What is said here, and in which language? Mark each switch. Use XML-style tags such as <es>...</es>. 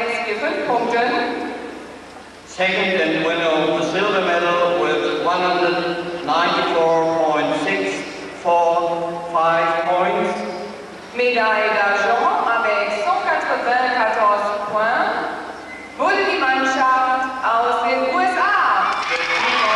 <en>Second and winner of the silver medal with 194.645 points.</en> <fr>Medaille d'argent avec 194 points.</fr> <de>Wurde die Mannschaft aus den USA.</de>